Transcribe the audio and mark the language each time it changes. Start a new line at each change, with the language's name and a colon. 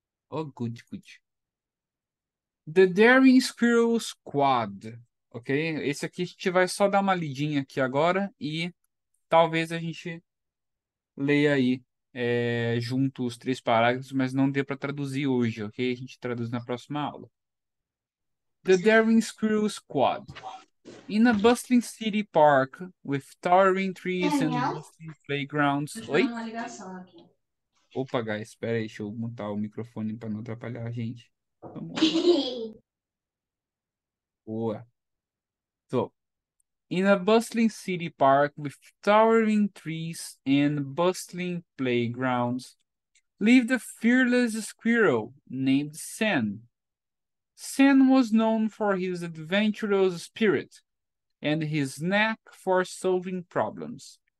English: Oh, good, good. The Daring Squirrel Squad. Ok?
Portuguese: Esse aqui a gente vai só dar uma lidinha aqui agora e talvez a gente leia aí junto os três parágrafos, mas não dê para traduzir hoje, ok? A gente traduz na próxima aula.
English: The Daring Squirrel Squad. In a bustling city park with towering trees and
Portuguese: Daniel,
English: bustling playgrounds.
Portuguese: estou Oi? fazendo uma ligação aqui. Opa, guys, espera aí, deixa eu mutar o microfone para não atrapalhar a gente. Vamos lá. Boa.
English: So, in a bustling city park with towering trees and bustling playgrounds, lived a fearless squirrel named Sam. Sam was known for his adventurous spirit and his knack for solving problems.